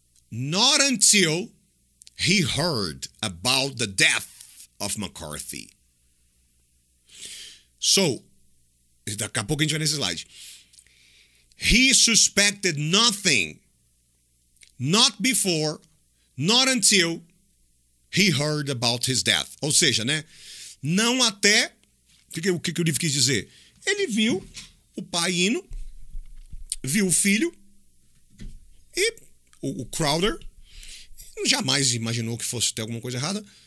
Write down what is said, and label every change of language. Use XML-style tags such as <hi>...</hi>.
<en>Not until he heard about the death of McCarthy.</en> <pt>So, daqui a pouco a gente vai nesse slide.</pt> <en>He suspected nothing. Not before, not until he heard about his death.</en> <pt>Ou seja, né? Não até... O que o livro quis dizer? Ele viu o pai indo, viu o filho e o Crowder. Jamais imaginou que fosse ter alguma coisa errada.</pt>